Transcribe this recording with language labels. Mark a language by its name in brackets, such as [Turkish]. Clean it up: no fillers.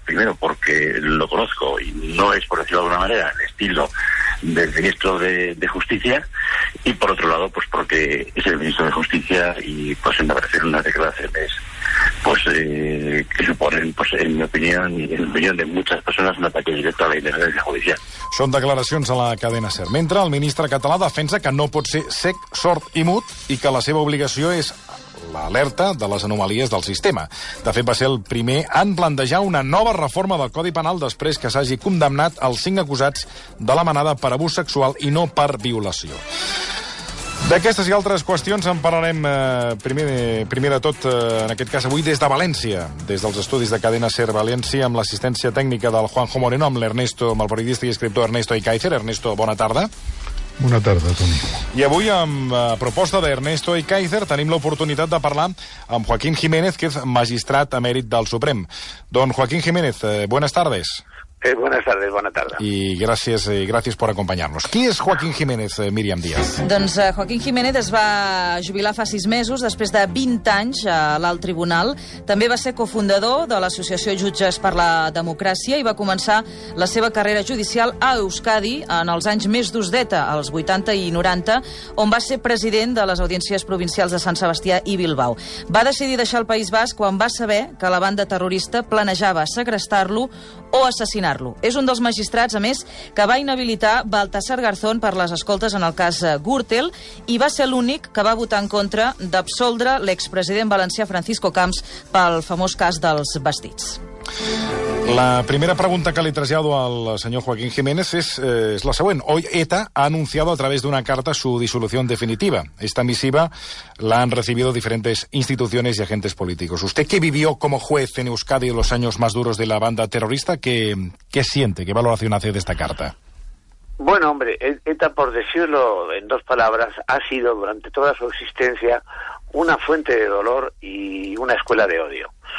[Spanish] Primero porque lo conozco y no es, por decirlo de alguna manera, el estilo del ministro de Justicia. Y por otro lado, pues porque es el ministro de Justicia y pues en aparecer unas declaraciones pues que suponen, pues en mi opinión y en opinión de muchas personas, un ataque directo a la independencia judicial. [Catalan] Són declaracions a la cadena SER. Mentre el ministre Català defensa que no pot ser sec, sord i mut i que la seva obligació és l'alerta de les anomalies del sistema. De fet, va ser el primer en plantejar una nova reforma del Codi Penal després que s'hagi condemnat els 5 acusats de la manada per abús sexual i no per violació. D'aquestes i altres qüestions en parlarem primer de tot, en aquest cas avui des de València, des dels estudis de Cadena SER València, amb l'assistència tècnica del Juanjo Moreno, amb l'Ernesto, amb el periodista i escriptor Ernesto Ekaizer. Ernesto, bona tarda. Bona tarda, Toni. I avui, amb proposta d'Ernesto Ekaizer, tenim l'oportunitat de parlar amb Joaquín Jiménez, que és magistrat emèrit del Suprem. [Spanish] Don Joaquín Jiménez, buenas tardes. Buenas tardes. Y gracias por acompañarnos. [Catalan] ¿Qui és Joaquín Jiménez, Míriam Díaz? Doncs Joaquín Jiménez es va jubilar fa 6 mesos, després de 20 anys a l'alt tribunal. També va ser cofundador de l'Associació Jutges per la Democràcia i va començar la seva carrera judicial a Euskadi en els anys més durs d'ETA, als 80 i 90, on va ser president de les audiències provincials de Sant Sebastià i Bilbao. Va decidir deixar el País Basc quan va saber que la banda terrorista planejava segrestar-lo o assassinar-lo. És un dels magistrats, a més, que va inhabilitar Baltasar Garzón per les escoltes en el cas Gürtel i va ser l'únic que va votar en contra d'absoldre l'expresident valencià Francisco Camps pel famós cas dels vestits. La primera pregunta que li trasllado al senyor Joaquín Jiménez és la següent. [Spanish] Hoy ETA ha anunciado a través de una carta su disolución definitiva. Esta misiva la han recibido diferentes instituciones y agentes políticos. Usted, que vivió como juez en Euskadi los años más duros de la banda terrorista, ¿qué siente? ¿Qué valoración hace de esta carta? Bueno, hombre, ETA, por decirlo en dos palabras, ha sido durante toda su existencia una fuente de dolor y una escuela de odio.